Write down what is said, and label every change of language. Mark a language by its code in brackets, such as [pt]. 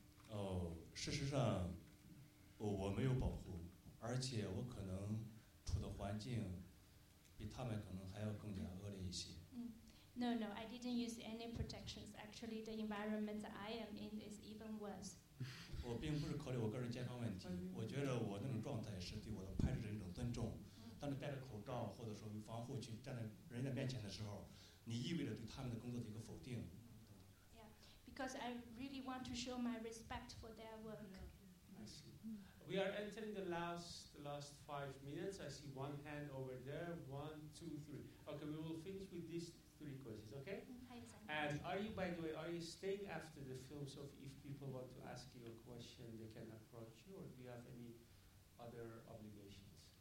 [zh] Oh, 事实上，我没有保护，而且我可能处的环境比他们可能还要更加恶劣一些。 [en] No, no, I didn't use any protections. Actually, the environment that I am in is even worse. [zh] 我并不是考虑我个人健康问题，我觉得我那种状态是对我的拍摄人一种尊重。当你戴着口罩或者说用防护去站在人家面前的时候，你意味着对他们的工作的一个否定。 [en] Yeah, because I really want to show my respect for their work. I see. We are entering the last 5 minutes. I see one hand over there. 1, 2, 3. Okay, we will finish with this. Three questions, okay? And are you, by the way, are you staying after the film? So if people want to ask you a question, they can approach you, or do you have any other obligations?